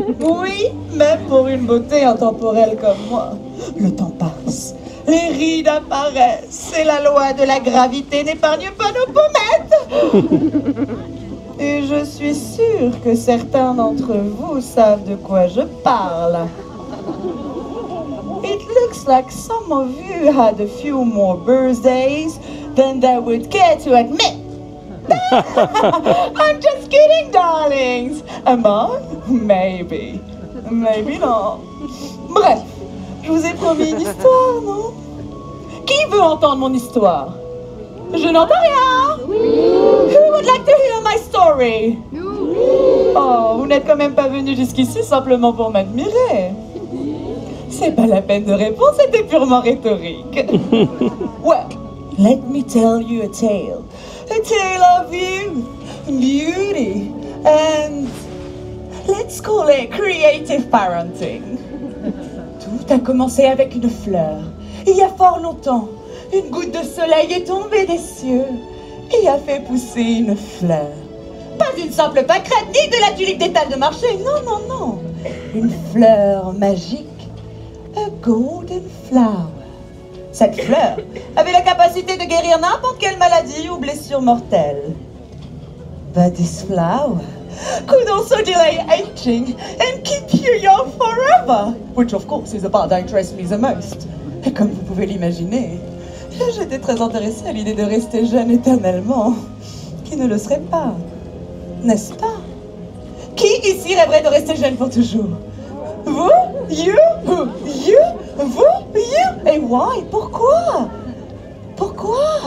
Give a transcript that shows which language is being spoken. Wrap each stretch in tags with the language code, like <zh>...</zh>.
<fr>Oui, même pour une beauté intemporelle comme moi. Le temps passe, les rides apparaissent, et la loi de la gravité n'épargne pas nos pommettes. Et je suis sûre que certains d'entre vous savent de quoi je parle.</fr> <en>It looks like some of you had a few more birthdays than they would care to admit. I'm just kidding, darlings. Am I? Maybe. Maybe not.</en> <fr>Bref, je vous ai promis une histoire, non? Qui veut entendre mon histoire? Je n'entends rien. Oui.</fr> <en>Who would like to hear my story?</en> <fr>Oui. Oh, vous n'êtes quand même pas venu jusqu'ici simplement pour m'admirer. C'est pas la peine de répondre, c'était purement rhétorique.</fr> <en>Well, let me tell you a tale. A tale of you, beauty, and let's call it creative parenting.</en> <fr>Tout a commencé avec une fleur. Il y a fort longtemps, une goutte de soleil est tombée des cieux et a fait pousser une fleur. Pas une simple pâquerette, ni de la tulipe d'étal de marché, non, non, non. Une fleur magique.</fr> <en>A golden flower.</en> <fr>Cette fleur avait la capacité de guérir n'importe quelle maladie ou blessure mortelle.</fr> <en>But this flower could also delay aging and keep you young forever. Which of course is the part that interests me the most.</en> <fr>Et comme vous pouvez l'imaginer, J'étais très intéressée à l'idée de rester jeune éternellement. Qui ne le serait pas, n'est-ce pas? Qui ici rêverait de rester jeune pour toujours? Vous? You? Vous? You? Et why? Pourquoi? Pourquoi?</fr>